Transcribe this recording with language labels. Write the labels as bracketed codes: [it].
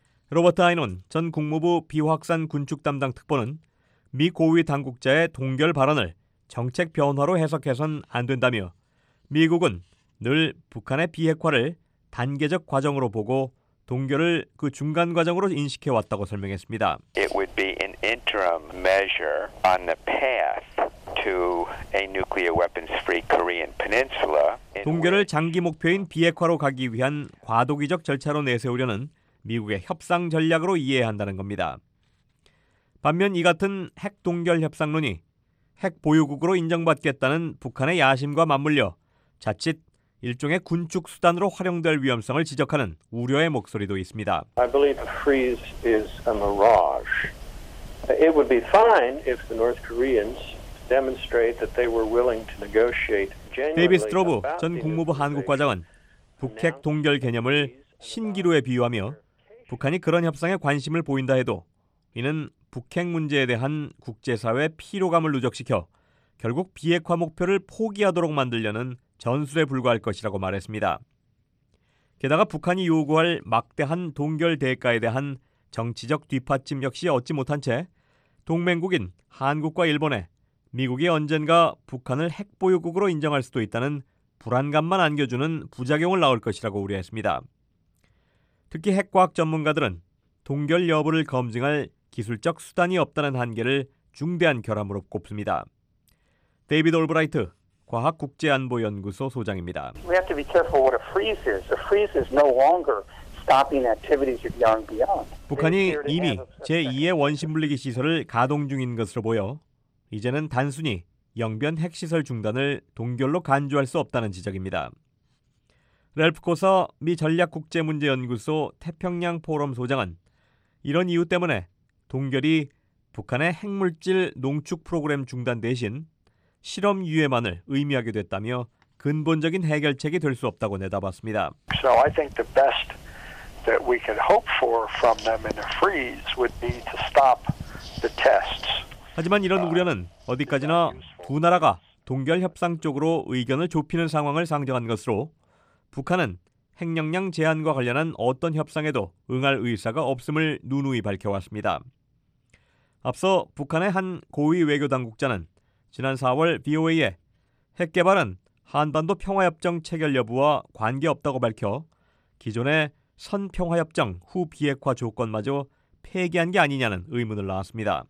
[ko] 로버트 아이논 전 국무부 비확산 군축 담당 특보는 미 고위 당국자의 동결 발언을 정책 변화로 해석해선 안 된다며 미국은 늘 북한의 비핵화를 단계적 과정으로 보고 동결을 그 중간 과정으로 인식해왔다고 설명했습니다. [en] It would be an interim measure on the path to a nuclear weapons-free Korean peninsula. [ko] 동결을 장기 목표인 비핵화로 가기 위한 과도기적 절차로 내세우려는 미국의 협상 전략으로 이해한다는 겁니다. 반면 이 같은 핵 동결 협상론이 핵 보유국으로 인정받겠다는 북한의 야심과 맞물려 자칫 일종의 군축 수단으로 활용될 위험성을 지적하는 우려의 목소리도 있습니다. [en] I believe a freeze is a mirage. It would be fine if the North Koreans demonstrate that they were willing to negotiate genuinely. [ko] 데이비 스트로브 전 국무부 한국 과장은 북핵 동결 개념을 신기루에 비유하며 북한이 그런 협상에 관심을 보인다 해도 이는 북핵 문제에 대한 국제사회 피로감을 누적시켜 결국 비핵화 목표를 포기하도록 만들려는 전술에 불과할 것이라고 말했습니다. 게다가 북한이 요구할 막대한 동결 대가에 대한 정치적 뒷받침 역시 얻지 못한 채 동맹국인 한국과 일본에 미국이 언젠가 북한을 핵 보유국으로 인정할 수도 있다는 불안감만 안겨주는 부작용을 낳을 것이라고 우려했습니다. 특히 핵과학 전문가들은 동결 여부를 검증할 기술적 수단이 없다는 한계를 중대한 결함으로 꼽습니다. 데이비드 올브라이트 과학국제안보연구소 소장입니다. [en] We have to be careful what a freeze is. A freeze is no longer stopping activities of Yang Beyond. [ko] 북한이 이미 제2의 원심물리기 시설을 가동 중인 것으로 보여 이제는 단순히 영변 핵시설 중단을 동결로 간주할 수 없다는 지적입니다. 랄프 코서 미 전략국제문제연구소 태평양 포럼 소장은 이런 이유 때문에 동결이 북한의 핵물질 농축 프로그램 중단 대신 실험 유예만을 의미하게 됐다며 근본적인 해결책이 될 수 없다고 내다봤습니다. [en] So I think the best that we could hope for from them in a freeze would be to stop the tests. [ko] 하지만 이런 우려는 어디까지나 두 나라가 동결 협상 쪽으로 의견을 좁히는 상황을 상정한 것으로 북한은 핵 역량 제한과 관련한 어떤 협상에도 응할 의사가 없음을 누누이 밝혀왔습니다. 앞서 북한의 한 고위 외교 당국자는 지난 4월 VOA에 핵 개발은 한반도 평화협정 체결 여부와 관계없다고 밝혀 기존의 선평화협정 후 비핵화 조건마저 폐기한 게 아니냐는 의문을 낳았습니다.